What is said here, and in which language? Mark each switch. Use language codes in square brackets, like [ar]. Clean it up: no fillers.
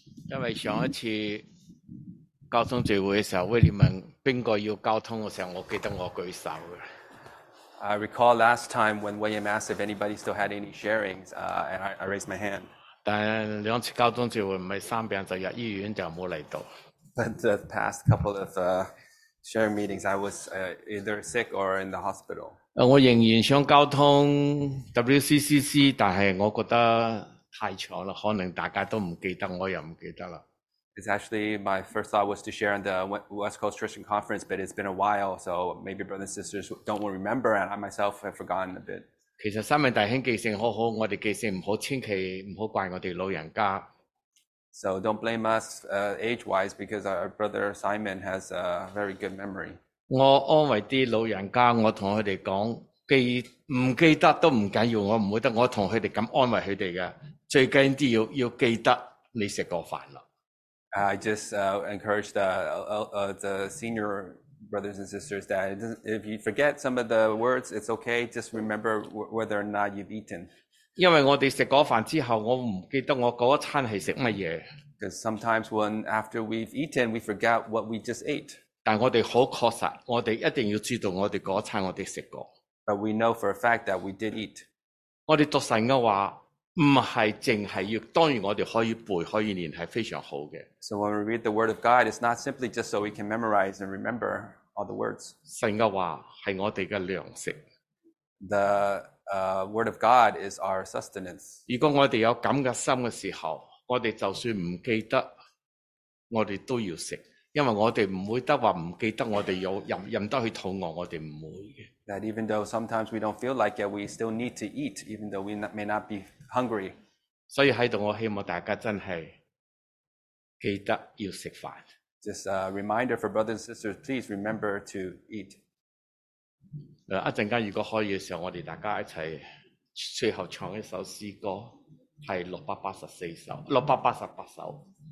[yue] 因为上一次交通聚会的时候，威廉问边个要交通的时候，我记得我举手的。 [en] I recall last time when William asked if anybody still had any sharings, and I raised my hand. [yue] 但两次交通聚会唔系生病就入医院就冇嚟到。 [en] But the past couple of sharing meetings, I was either sick or in the hospital. [yue] 我仍然想交通 WCCC， 但系我觉得。太长了，可能大家都唔记得，我又唔记得了。 [en] It's actually my first thought was to share on the West Coast Christian Conference, but it's been a while, so maybe brothers and sisters don't remember, and I myself have forgotten a bit. [yue] 其实三位弟兄记性好好，我哋记性唔好，千祈唔好怪我哋老人家。 [en] So don't blame us, age-wise, because our brother Simon has a very good memory. [yue] 我安慰啲老人家，我同佢哋讲。记唔记得都唔紧要，我唔会得，我同佢哋咁安慰佢哋嘅。最紧啲要记得你食过饭啦。 [en] I just encourage the senior brothers and sisters that if you forget some of the words, it's okay. Just remember whether or not you've eaten. [yue] 因为我哋食过饭之后，我唔记得我嗰一餐系食乜嘢。 [en] Because sometimes when after we've eaten, we forget what we just ate. [yue] 但我哋好确实，我哋一定要知道我哋嗰一餐我哋食过。 [en] But we know for a fact that we did eat. [yue] 我哋读神嘅话，唔系净系要，当然我哋可以背可以念，系非常好嘅。 [en] So when we read the word of God, it's not simply just so we can memorize and remember all the words. [yue] 神嘅话系我哋嘅粮食。 [en] The word of God is our sustenance. [yue] 如果我哋有咁嘅心嘅时候，我哋就算唔记得，我哋都要食。因为我哋唔会得话唔记得，我哋有任得去肚饿，我哋唔会嘅。 [en] That even though sometimes we don't feel like it, we still need to eat, even though we may not be hungry. [yue] 所以喺度，我希望大家真系记得要食饭。 [en] Just a reminder for brothers and sisters, please remember to eat. [yue] 一阵间如果可以嘅时候，我哋大家一齐最后唱一首诗歌，系688首。